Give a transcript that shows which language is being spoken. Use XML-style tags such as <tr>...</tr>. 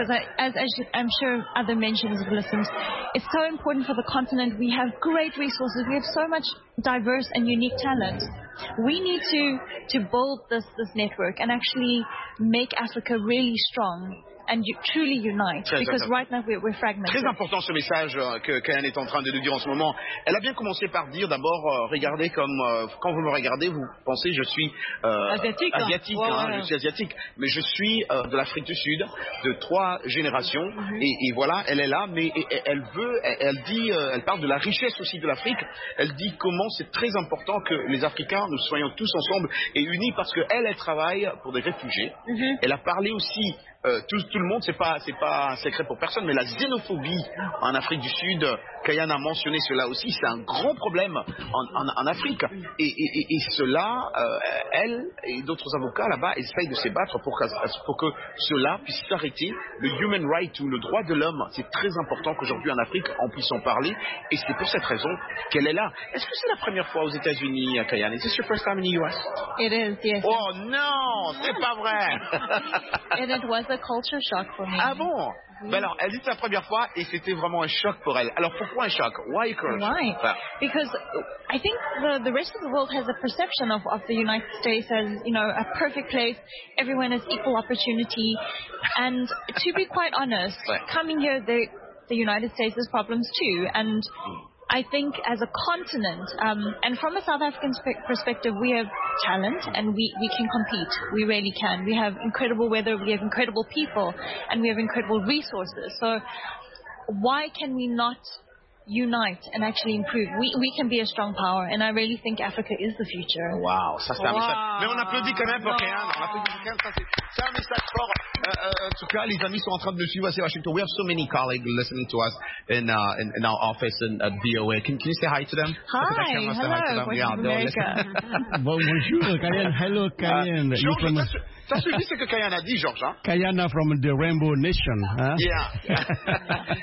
<en>Because I'm sure other mentions have listened, it's so important for the continent. We have great resources. We have so much diverse and unique talent. We need to build this network and actually make Africa really strong and you truly unite,</en> <fr>très</fr> <en>because important. Right now we're fragmented.</en> <fr>Très important ce message que Kayane est en train de nous dire en ce moment. Elle a bien commencé par dire d'abord, regardez comme, quand vous me regardez, vous pensez je suis asiatique, hein, ouais. Je suis asiatique, mais je suis de l'Afrique du Sud, de trois générations, mm-hmm. et voilà, elle est là, mais elle parle de la richesse aussi de l'Afrique, elle dit comment c'est très important que les Africains, nous soyons tous ensemble et unis, parce qu'elle travaille pour des réfugiés, mm-hmm. Elle a parlé aussi, tout le monde, c'est pas un secret pour personne, mais la xénophobie en Afrique du Sud, Kayane a mentionné cela aussi, c'est un grand problème en Afrique. Et cela, elle et d'autres avocats là-bas essayent de se battre pour que cela puisse s'arrêter. Le human right ou le droit de l'homme, c'est très important qu'aujourd'hui en Afrique, on puisse en parler. Et c'est pour cette raison qu'elle est là. Est-ce que c'est la première fois aux États-Unis, Kayane?</fr> <en>Is this your first time in the US? It is, yes.</en> <fr>Oh non, c'est pas vrai.</fr> <en>And it was a culture shock for me.</en> <fr>Ah bon? Mm-hmm. Ben alors, elle dit sa première fois et c'était vraiment un choc pour elle. Alors pourquoi un choc?</fr> <en>Why a crush? Why? Because I think the rest of the world has a perception of the United States as, you know, a perfect place. Everyone has equal opportunity. And to be quite honest, coming here, the United States has problems too. And I think as a continent, and from a South African perspective, we have talent and we can compete. We really can. We have incredible weather, we have incredible people, and we have incredible resources. So why can we not unite and actually improve? We can be a strong power, and I really think Africa is the future.</en> <fr>Wow, ça c'est un message. Mais on applaudit quand même pour Kayane. On applaudit quand même, c'est un message fort. En tout cas, les amis sont en train de nous suivre à Washington.</fr> <en>We have so many colleagues listening to us in our office and at VOA. Can you say hi to them? Hi, hello.</en> <fr>Bonjour, Kayane.</fr> <en>Hello, Kayane.</en> <fr>Ça suffit ce que Kayane a dit, George. Hein?</fr> <en>Kayane from the Rainbow Nation.</en> <fr>Hein?</fr> <en>Yeah.</en>